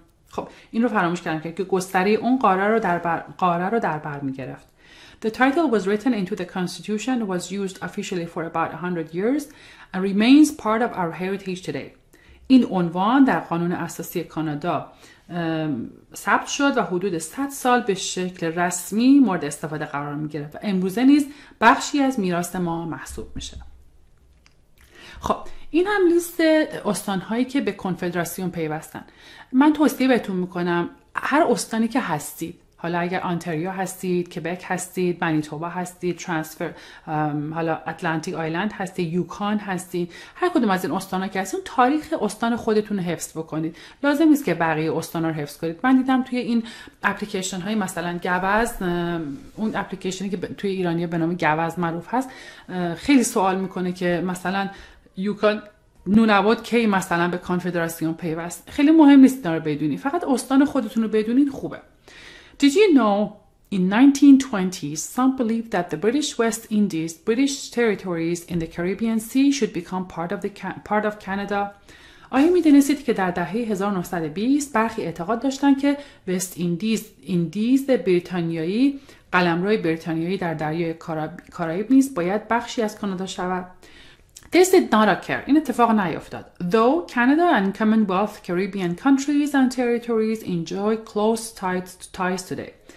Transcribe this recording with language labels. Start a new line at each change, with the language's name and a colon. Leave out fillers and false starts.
Persian: خب این رو فراموش کردم که گستره اون قاره رو در بر می‌گرفت.
English: The title was written into the constitution was used officially for about 100 years and remains part of our heritage today.
Persian: این عنوان در قانون اساسی کانادا ثبت شد و حدود 100 سال به شکل رسمی مورد استفاده قرار می گرفت و امروزه نیز بخشی از میراث ما محسوب میشه. خب این هم لیست استانهایی که به کنفدراسیون پیوستن. من توصیه بهتون میکنم هر استانی که هستید، حالا اگر آنتاریو هستید، کبک هستید، مانیتوبا هستید، ترانسفر، حالا اتلانتیک آیلند هستید، یوکان هستید، هر کدوم از این استانا که هستید تاریخ استان خودتون رو حفظ بکنید. لازم نیست که بقیه استانا رو حفظ کنید. من دیدم توی این اپلیکیشن های مثلا گوز، اون اپلیکیشنی که توی ایرانی به نام گوز معروف هست، خیلی سوال میکنه که مثلا یوکان نونواد کی مثلا به کانفدراسیون پیوست. خیلی مهم نیست اینا رو بدونی، فقط استان خودتون رو بدونید خوبه.
English: Did you know in 1920s some believed that the British West Indies, British territories in the Caribbean Sea should become part of Canada?
Persian: آیا می‌دونستید که در دهه 1920 برخی اعتقاد داشتند که وست ایندیز بریتانیایی، قلمروی بریتانیایی در دریای کارائیب نیز باید بخشی از کانادا شود؟
English: This did not occur.
Persian: این اتفاق نیفتاد.
English: Though Canada and Commonwealth Caribbean countries and territories enjoy close ties today.